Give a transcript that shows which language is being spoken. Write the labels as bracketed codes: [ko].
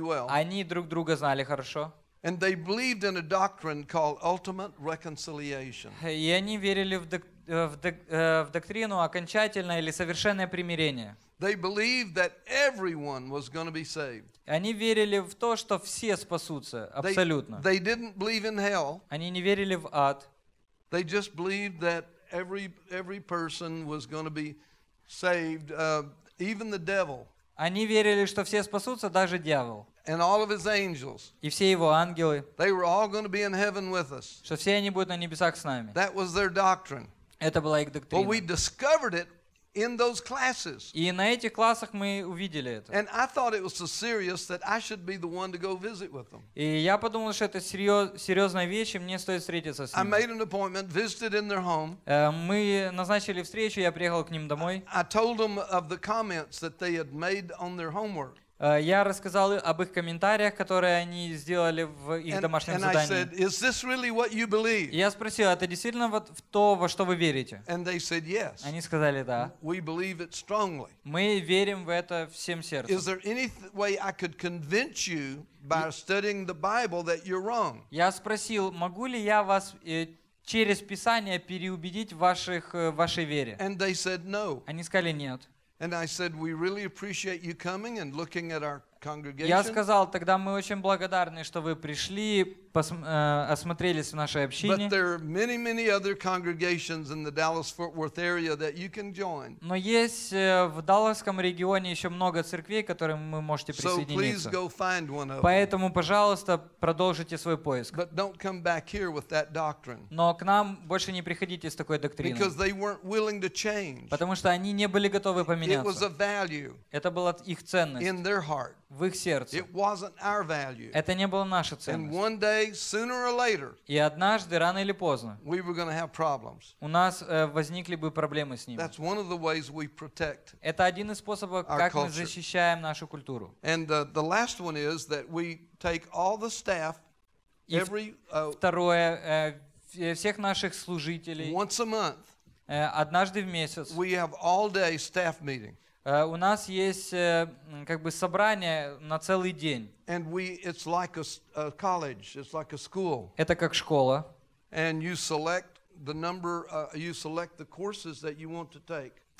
[ru] Они друг друга знали хорошо. [en] And they believed in a doctrine called ultimate reconciliation. [ru] И они верили в доктрину окончательное или совершенное примирение. [en] They believed that everyone was going to be saved. [ru] Они верили в то, что все спасутся абсолютно. [en] They didn't believe in hell. [ru] Они не верили в ад. [en] They just believed that every person was going to be saved, even the devil. [ru] Они верили, что все спасутся, даже дьявол. [en] And all of his angels. [ru] И все его ангелы. [en] They were all going to be in heaven with us. [ru] Что все они будут на небесах с нами. [en] That was their doctrine. [ru] Это была их доктрина. [en] Well, we discovered it in those classes. [ru] И на этих классах мы увидели это. [en] And I thought it was so serious that I should be the one to go visit with them. [ru] И я подумал, что это серьезная вещь, и мне стоит встретиться с ними. [en] I made an appointment, visited in their home. [ru] Мы назначили встречу, я приехал к ним домой. [en] I told them of the comments that they had made on their homework. [ru] Я рассказал об их комментариях, которые они сделали в их домашнем задании. [en] Really, [ru] я спросил, это действительно вот в то, во что вы верите? [en] Said, yes. [ru] Они сказали, да. Мы верим в это всем сердцем. Я спросил, могу ли я вас через Писание переубедить в вашей вере? [en] Said, no. [ru] Они сказали, нет. [en] And I said, we really appreciate you coming and looking at our congregation. [ru] Я сказал, тогда мы очень благодарны, что вы пришли, осмотрелись в нашей общине. [en] But there are many, many other congregations in the Dallas-Fort Worth area that you can join. [ru] Но есть в Далласском регионе еще много церквей, к которым вы можете присоединиться. [en] So please go find one of them. [ru] Поэтому, пожалуйста, продолжите свой поиск. [en] But don't come back here with that doctrine. [ru] Но к нам больше не приходите с такой доктриной. [en] Because they weren't willing to change. [ru] Потому что они не были готовы поменяться. [en] It was a value. [ru] Это была их ценность. [en] In their heart. [ru] В их сердце. [en] It wasn't our value. [ru] Это не была наша ценность. [en] And one day, sooner or later, [ru] и однажды, рано или поздно, [en] we were going to have problems. [ru] У нас возникли бы проблемы с ними. [en] That's one of the ways we protect. [ru] Это один из способов, как мы защищаем нашу культуру. [en] And the last one is that we take all the staff, every. [ru] Второе, всех наших служителей. [en] Once a month. [ru] Однажды в месяц. [en] We have all day staff meeting. [ru] У нас есть как бы собрание на целый день. [en] It's like a college, it's like a school. [ru] Это как школа. [en] And you select the number, you select the courses that you want to take.